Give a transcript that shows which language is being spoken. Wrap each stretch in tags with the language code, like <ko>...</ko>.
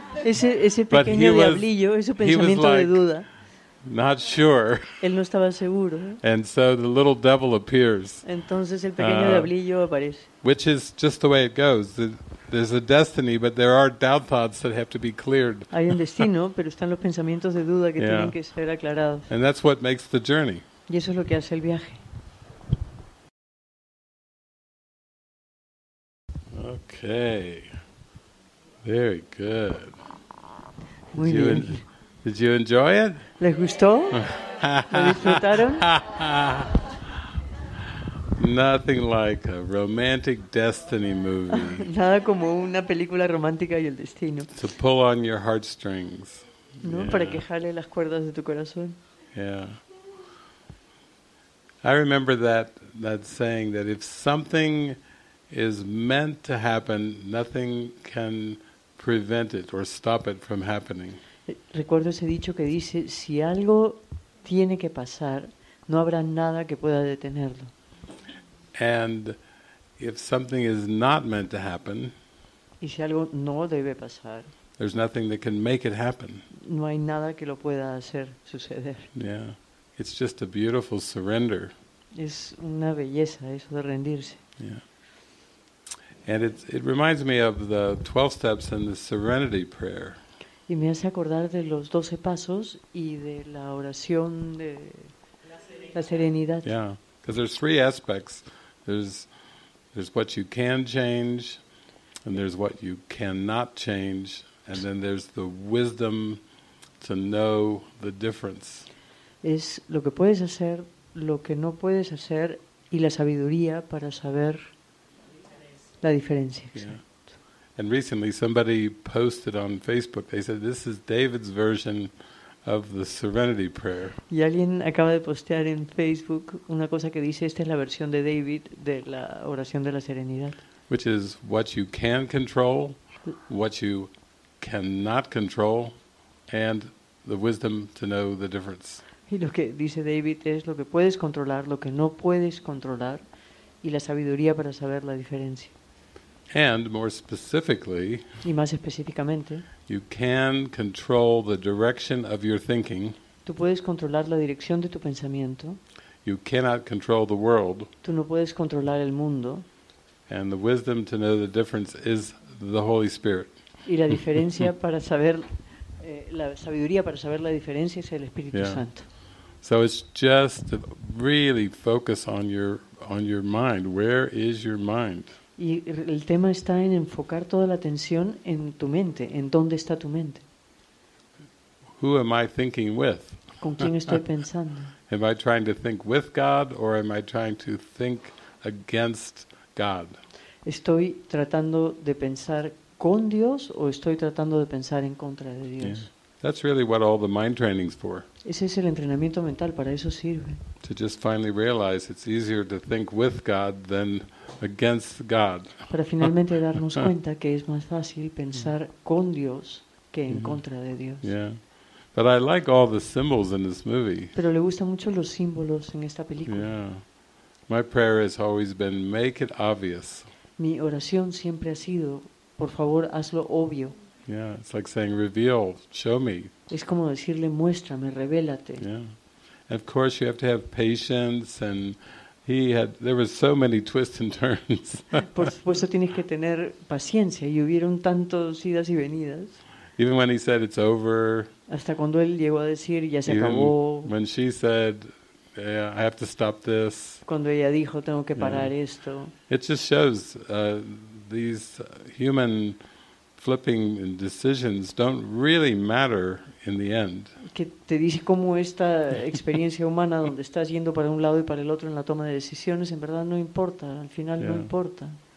<es>Ese pequeño diablillo es su pensamiento</es> <en>like,</en> <es>de duda.</es> <en>Not sure.</en> <es>Él no estaba seguro.</es> <en>And so the little devil appears.</en> <es>Entonces el pequeño diablillo aparece.</es> <en>Which is just the way it goes. There's a destiny, but there are doubt thoughts that have to be cleared.</en> <es>Hay un destino, pero están los pensamientos de duda que tienen que ser aclarados.</es> <en>And that's what makes the journey.</en> <es>Y eso es lo que hace el viaje.</es> <en>Okay. Very good.</en> <es>Muy</es> <en>did you</en> <es>bien.</es> <en>Did you enjoy it?</en> <es>¿Les gustó? ¿Lo disfrutaron?</es> <en>Nothing like a romantic destiny movie.</en> <es>Nada como una película romántica y el destino.</es> <en>To pull on your heartstrings. No, yeah.</en> <es>Para que jale las cuerdas de tu corazón.</es> <en>Yeah. I remember that saying that if something is meant to happen, nothing can prevent it or stop it from happening.</en> <es>Recuerdo ese dicho que dice, si algo tiene que pasar, no habrá nada que pueda detenerlo.</es> <en>And if something is not meant to happen,</en> <es>y si algo no debe pasar,</es> <en>there's nothing that can make it happen.</en> <es>No hay nada que lo pueda hacer suceder.</es> <en>Yeah, it's just a beautiful surrender.</en> <es>Es una belleza eso de rendirse.</es> <en>Yeah. And it reminds me of the 12 steps and the serenity prayer.</en> <es>Y me hace acordar de los 12 pasos y de la oración de la serenidad.</es> <en>Yeah, because there's three aspects. There's what you can change, and there's what you cannot change, and then there's the wisdom to know the difference.</en> <es>Es lo que puedes hacer, lo que no puedes hacer, y la sabiduría para saber la diferencia.</es> <en>And recently somebody posted on Facebook, they said, this is David's version of the Serenity Prayer.</en> <es>Y alguien acaba de postear en Facebook una cosa que dice, esta es la versión de David de la oración de la serenidad.</es> <en>Which is what you can control, what you cannot control, and the wisdom to know the difference.</en> <es>Y lo que dice David es lo que puedes controlar, lo que no puedes controlar, y la sabiduría para saber la diferencia.</es> <en>And more specifically,</en> <es>y más específicamente,</es> <en>you can control the direction of your thinking.</en> <es>Tú puedes controlar la dirección de tu pensamiento.</es> <en>You cannot control the world.</en> <es>Tú no puedes controlar el mundo.</es> <en>And the wisdom to know the difference is the Holy Spirit.</en> <es>Y la diferencia para saber la sabiduría para saber la diferencia es el Espíritu Santo.</es> <en>So it's just to really focus on your mind. Where is your mind?</en> <es>Y el tema está en enfocar toda la atención en tu mente. ¿En dónde está tu mente?</es> <en>Who am I thinking with?</en> <es>¿Con quién estoy pensando?</es> <en>Am I trying to think with God or am I trying to think against God?</en> <es>¿Estoy tratando de pensar con Dios o estoy tratando de pensar en contra de Dios?</es> <en>Yeah. That's really what all the mind training's for.</en> <es>Ese es el entrenamiento mental, para eso sirve.</es> <en>To just finally realize it's easier to think with God than against God.</en> <es>Para finalmente darnos cuenta que es más fácil pensar con Dios que en contra de Dios.</es> <en>Yeah. But I like all the symbols in this movie.</en> <es>Pero le gustan mucho los símbolos en esta película.</es> <en>Yeah. My prayer has always been make it obvious.</en> <es>Mi oración siempre ha sido, por favor, hazlo obvio.</es> <en>Yeah, it's like saying reveal, show me.</en> <es>Es como decirle muéstrame, revélate.</es> <en>Yeah. And of course you have to have patience and there were so many twists and turns.</en> <es>Por supuesto tienes que tener paciencia y hubieron tantos idas y venidas.</es> <en>Even when he said it's over.</en> <es>Hasta cuando él llegó a decir ya se acabó.</es> <en>When she said yeah, I have to stop this.</en> <es>Cuando ella dijo tengo que parar esto.</es> <en>It just shows these human flipping decisions don't really matter in the end.</en> <es>Que te dice cómo esta experiencia humana donde estás yendo para un lado y para el otro en la toma de decisiones en verdad no importa, al final no importa.</es>